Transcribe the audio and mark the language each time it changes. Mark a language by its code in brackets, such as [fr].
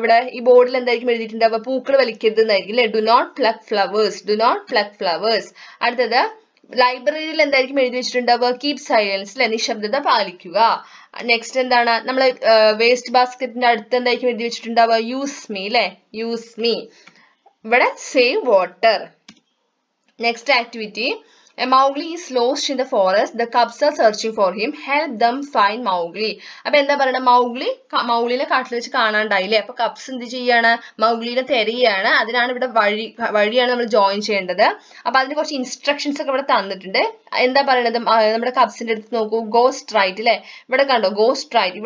[ml] ഇവിടെ ഈ ബോർഡിൽ എന്തായിരിക്കും എഴുതിയിട്ടുണ്ടാവുക? പൂക്കൾ വലിക്കരുത് എന്നായിരിക്കും അല്ലെ. [en] do not pluck flowers, [ml] do not pluck flowers. അടുത്തത് ലൈബ്രറിയിൽ എന്തായിരിക്കും എഴുതി വെച്ചിട്ടുണ്ടാവുക? [en] keep silence [ml] അല്ലെ, നിശബ്ദത പാലിക്കുക. നെക്സ്റ്റ് എന്താണ്, നമ്മൾ വേസ്റ്റ് ബാസ്കറ്റിന്റെ അടുത്ത് എന്തായിരിക്കും എഴുതി വെച്ചിട്ടുണ്ടാവുക? [en] use me [ml] അല്ലെ, യൂസ് മീ. ഇവിടെ [en] Save water. [ml] Next activity, [en] A Mowgli is lost in the forest. The cubs are searching for him. Help them find Mowgli. [ml] അപ്പൊ എന്താ പറയണം, മൗഗ്ലി മൗഗ്ലിനെ കാട്ടിൽ വെച്ച് കാണാണ്ടായില്ലേ, അപ്പൊ കപ്സ് എന്ത് ചെയ്യാണ്, മൗഗ്ലിനെ തെരയുകയാണ്. അതിനാണ് ഇവിടെ വഴിയാണ് നമ്മൾ ജോയിൻ ചെയ്യേണ്ടത്. അപ്പൊ അതിന് കുറച്ച് ഇൻസ്ട്രക്ഷൻസ് ഒക്കെ ഇവിടെ തന്നിട്ടുണ്ട്. എന്താ പറയണത്, നമ്മുടെ കപ്സിന്റെ അടുത്ത് നോക്കൂ, [en] go straight [ml] അല്ലെ, ഇവിടെ കണ്ടോ, ഗോ സ്ട്രൈറ്റ്.